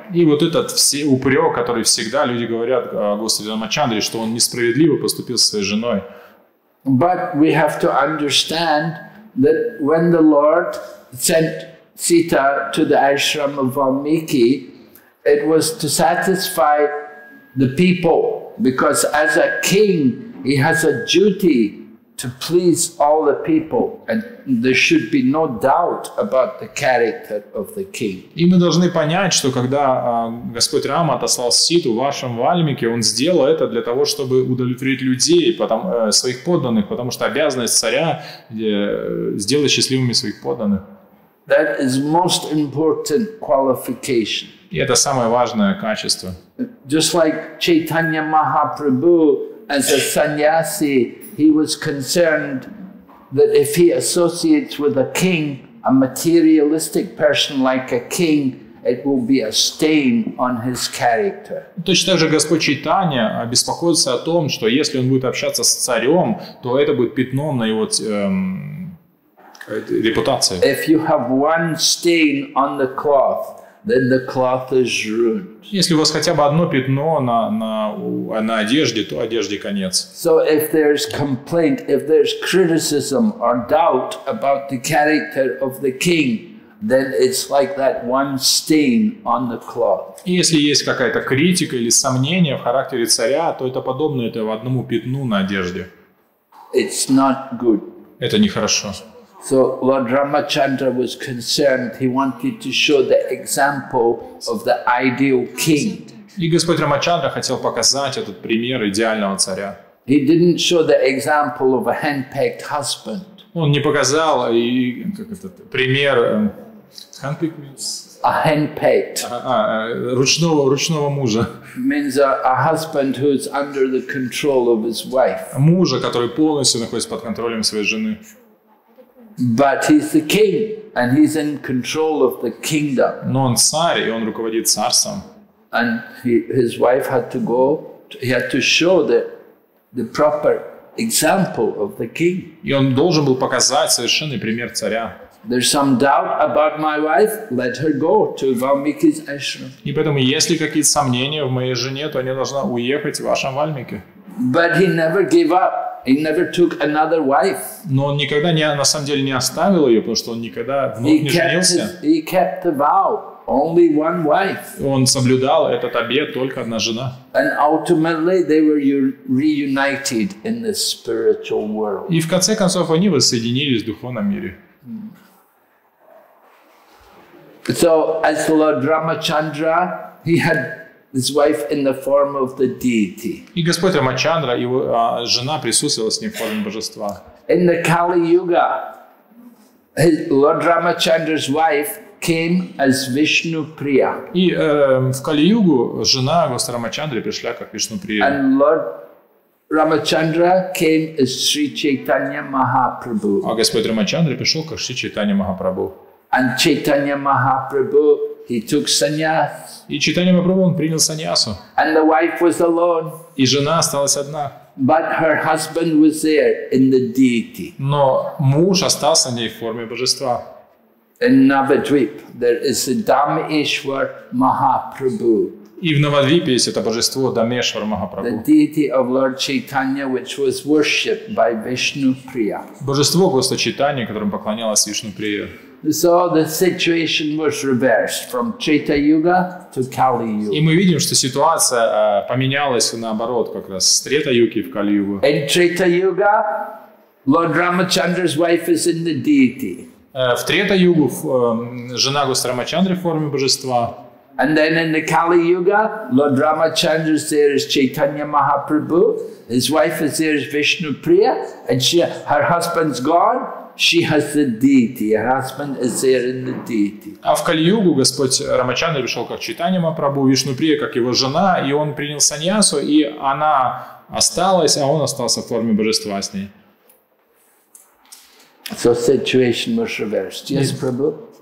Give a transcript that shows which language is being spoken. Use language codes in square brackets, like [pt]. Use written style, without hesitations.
[ru] И вот этот упрек, который всегда люди говорят о Господе Рамачандре, что он несправедливо поступил со своей женой. [en] But we have to understand that when the Lord sent Sita to the ashram of Valmiki, it was to satisfy the people, because as a king, he has a duty to please all the people, and there should be no doubt about the character of the king. [ru] И мы должны понять, что когда Господь Рама отослал Ситу в вашем Вальмике, он сделал это для того, чтобы удовлетворить людей, своих подданных, потому что обязанность царя сделать счастливыми своих подданных. [en] That is most important qualification. [ru] И это самое важное качество. [en] Just like Chaitanya Mahaprabhu, as a sannyasi, he was concerned that if he associates with a king, a materialistic person like a king, it will be a stain on his character. [ru] Точно так же Господь Чайтанья беспокоится о том, что если он будет общаться с царем, то это будет пятном на его репутации. [en] If you have one stain on the cloth, then the cloth is ruined. [ru] Если у вас хотя бы одно пятно на одежде, то одежде конец. [en] So if there's complaint, if there's criticism or doubt about the character of the king, then it's like that one stain on the cloth. [ru] И если есть какая-то критика или сомнение в характере царя, то это подобно этому одному пятну на одежде. [en] It's not good. [ru] Это нехорошо. [en] So Lord Ramachandra was concerned. He wanted to show the example of the ideal king. [ru] И Господь Рамачандра хотел показать этот пример идеального царя. [en] He didn't show the example of a hand-picked husband. [ru] Он не показал пример [en] hand-picked means a hand-picked. [ru] Ручного мужа. [en] Means a husband who's under the control of his wife. [ru] Мужа, который полностью находится под контролем своей жены. [en] But he's the king, and he's in control of the kingdom. [ru] Но он царь, и он руководит царством. [en] And his wife had to go. He had to show the proper example of the king. [ru] И он должен был показать совершенный пример царя. [en] There's some doubt about my wife. Let her go to Valmiki's ashram. [ru] И поэтому, если какие-то сомнения в моей жене, то она должна уехать в вашем Вальмике. [en] But he never gave up. He never took another wife. [ru] Но он никогда на самом деле не оставил ее, потому что он никогда вновь не женился. [en] He kept the vow, only one wife. [ru] Он соблюдал этот обет, только одна жена. [en] And ultimately they were reunited in the spiritual world. [ru] И в конце концов они воссоединились в духовном мире. [en] So as Lord Ramachandra, he had his wife in the form of the deity. [ru] И Господь Рамачандра, его жена присутствовала с ним в форме божества. [en] In the Kali Yuga, Lord Ramachandra's wife came as Vishnu Priya. [ru] И в Кали-югу жена Господа Рамачандры пришла как Вишну Прия. [en] And Lord Ramachandra came as Sri Chaitanya Mahaprabhu. [ru] А Господь Рамачандра пришел как Шри Чайтанья Махапрабху. [en] And Chaitanya Mahaprabhu, he took sannyas. [ru] И Чайтанья Махапрабху, он принял саньясу. [en] And the wife was alone. [ru] И жена осталась одна. [en] But her husband was there in the deity. [ru] Но муж остался на ней в форме божества. [en] In Navadvip, there is the Dameshwar Mahaprabhu. [ru] И в Навадвипе есть это божество Дамешвар Махапрабху. [en] The deity of Lord Chaitanya, which was worshipped by Vishnu Priya. [ru] Божество Господа Чайтанья, которым поклонялась Вишну Прия. [en] So the situation was reversed from Treta Yuga to Kali Yuga. [ru] И мы видим, что ситуация поменялась наоборот, как раз с Трета Юги в Кали Югу. [en] In Treta Yuga, Lord Ramachandra's wife is in the deity. [ru] В Трета Югу жена Господа Рамачандры в форме божества. [en] And then in the Kali Yuga, Lord Ramachandra's there is Chaitanya Mahaprabhu, his wife is there is Vishnu Priya, and her husband's gone. She has the deity. Her husband is there in the deity. [ru] А в Кали-югу Господь Рамачандра пришел как Чайтанья Махапрабху, Вишну Прия как его жена, и он принял саньясу, и она осталась, а он остался в форме божества с ней. [en] So situation was reversed. Yes, Prabhu?